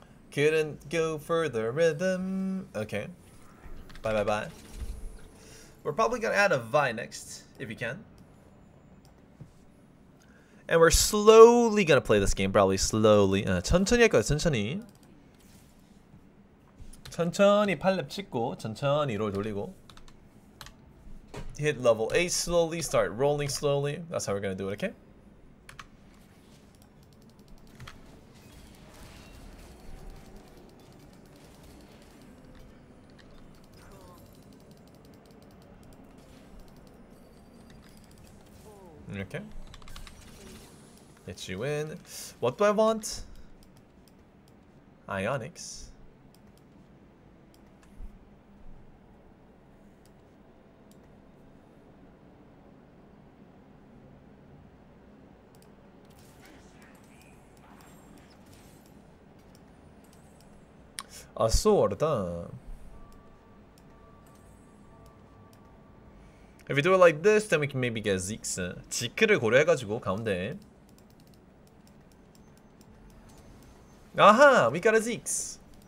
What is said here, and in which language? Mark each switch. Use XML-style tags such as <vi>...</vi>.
<en>Couldn't go further rhythm. Okay. Bye bye bye. We're probably gonna add a Vi next, if you can. And we're slowly gonna play this game, probably slowly.</en> <ko>천천히 할 거야, 천천히. 천천히 팔랩 찍고, 천천히 롤 돌리고.</ko> <en>Hit level 8 slowly, start rolling slowly. That's how we're gonna do it, okay? Okay. Get you in. What do I want? Ionix. A sword, huh? If we do it like this, then we can maybe get Zeke's.</en> <ko>지크를 고려해가지고 가운데.</ko> <en>아하! We got a Zeke's!</en>